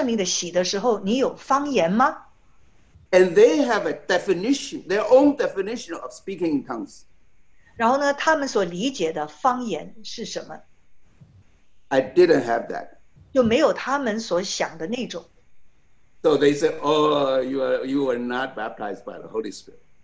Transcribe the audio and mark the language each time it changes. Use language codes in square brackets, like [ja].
[zh] 因为他们问我,当你领受圣灵的洗的时候,你有方言吗? [en] And they have a definition, their own definition of speaking in tongues. [zh] 然后呢,他们所理解的方言是什么? [en] I didn't have that. [zh] 就没有他们所想的那种。 [en] So they said, oh, you are not baptized by the Holy Spirit.